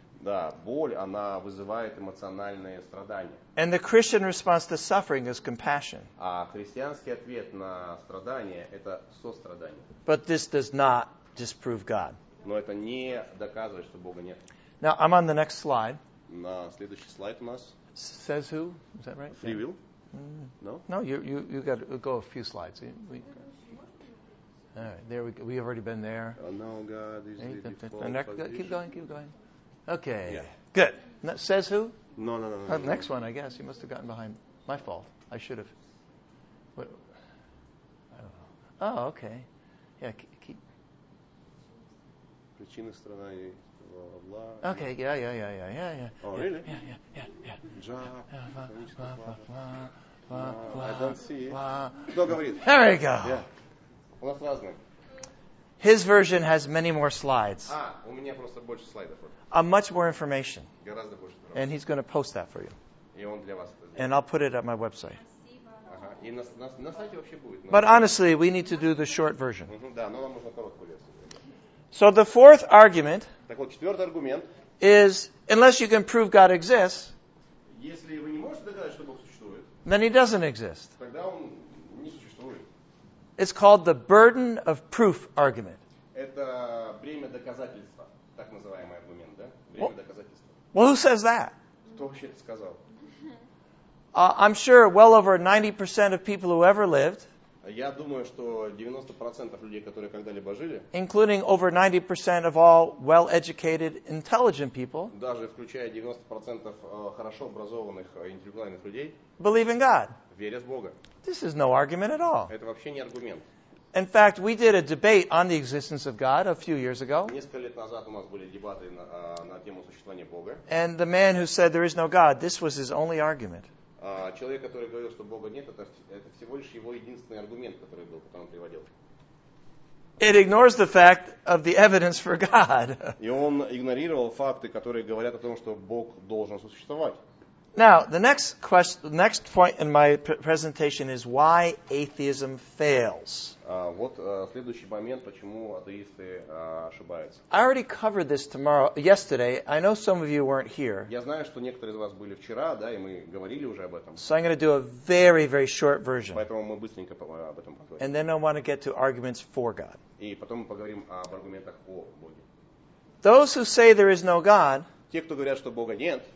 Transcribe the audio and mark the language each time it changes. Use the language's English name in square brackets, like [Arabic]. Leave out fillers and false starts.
[Russian] Да, боль, она вызывает эмоциональные страдания. [English] And the Christian response to suffering is compassion. [Russian] А христианский ответ на страдания – это сострадание. [English] But this does not disprove God. [Russian] Но это не доказывает, что Бога нет. [English] Now, I'm on the next slide. [Russian] На следующий слайд у нас. [English] Says who? Is that right? Free will? Yeah. No? No, you got to go a few slides. All right, there we go. We've already been there. Oh, no, God is the default position. Keep going. Okay, yeah. Good. Says who? No. Next one, I guess. You must have gotten behind. My fault. I should have. What? I don't know. Oh, okay. Yeah, keep. [Russian] Причина страдания, [English] Allah. Okay, yeah. Oh, really? Yeah. Job. I don't see it. There we go. [Russian] Yeah. У нас разные. [English] His version has many more slides. [Russian] У меня просто больше слайдов. [English] Much more information. [Russian] Гораздо больше. [English] And he's going to post that for you. [Russian] И он для вас. [English] And I'll put it at my website. [Russian] И на сайте вообще будет. [English] But honestly, we need to do the short version. [Russian] Да, но нам нужно короткую версию. [English] So the fourth argument, [Russian] так вот, четвертый аргумент, [English] is unless you can prove God exists, [Russian] если вы не можете доказать, что Бог существует, [English] then he doesn't exist. [Russian] Тогда он не существует. [English] It's called the burden of proof argument. [Russian] Это бремя доказательства, так называемый аргумент, да? Бремя доказательства. [English] Well, who says that? [Russian] Кто вообще это сказал? [English] I'm sure well over 90% of people who ever lived, [Russian] я думаю, что 90% людей, которые когда-либо жили, [English] including over 90% of all well-educated, intelligent people, [Russian] даже включая 90% хорошо образованных интеллектуальных людей, [English] believe in God. [Russian] Верят в Бога. [English] This is no argument at all. [Russian] Это вообще не аргумент. [English] In fact, we did a debate on the existence of God a few years ago. [Russian] Несколько лет назад у нас были дебаты на тему существования Бога. [English] And the man who said there is no God, this was his only argument. [Russian] Человек, который говорил, что Бога нет, это всего лишь его единственный аргумент, который был, который он приводил. [English] It ignores the fact of the evidence for God. [Russian] И он игнорировал факты, которые говорят о том, что Бог должен существовать. [English] Now, the next point in my presentation is why atheism fails. [Russian] Следующий момент, почему атеисты ошибаются. [English] I already covered this yesterday. I know some of you weren't here. [Russian] Я знаю, что некоторые из вас были вчера, да, и мы говорили уже об этом. [English] So I'm going to do a very, very short version. [Russian] Поэтому мы быстренько об этом поговорим. [English] And then I want to get to arguments for God. [Russian] И потом мы поговорим об аргументах о Боге. [English] Those who say there is no God, [Russian] те, кто говорят, что Бога нет,